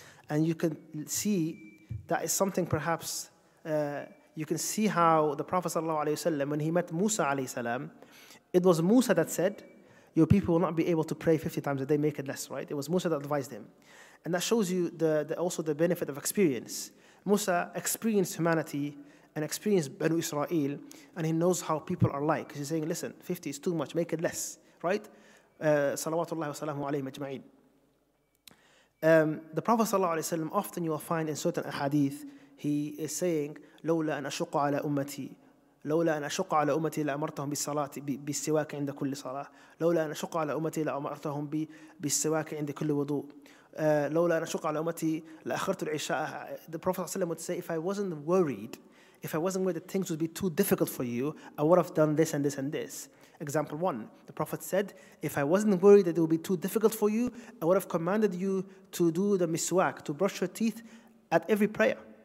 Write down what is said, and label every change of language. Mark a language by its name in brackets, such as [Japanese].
[English] And you can see that is something perhaps, you can see how the Prophet sallallahu alaihi wasallam, when he met Musa alaihi salam, it was Musa that said, your people will not be able to pray 50 times a day, make it less, right? It was Musa that advised him. And that shows you the benefit of experience. Musa experienced humanity and experienced Banu Israel, and he knows how people are like. He's saying, listen, 50 is too much, make it less, right? [Arabic] Salawatullahi wa salamu alayhi majma'in. [English] The Prophet sallallahu alayhi wa sallam, often you will find in certain ahadith, he is saying, [Arabic] لولا أن أشق على أمتي لولا أن أشق على أمتي لأمرتهم بالصلاة بالسواك عند كل صلاة لولا أن أشق على أمتي لأمرتهم بالسواك عند كل وضوء لولا أن أشق على أمتي لأخرت العشاء. [English] The Prophet ﷺ would say, if I wasn't worried, if I wasn't worried that things would be too difficult for you, I would have done this and this and this. Example one, the Prophet said, if I wasn't worried that it would be too difficult for you, I would have commanded you to do the miswak, to brush your teeth at every prayer.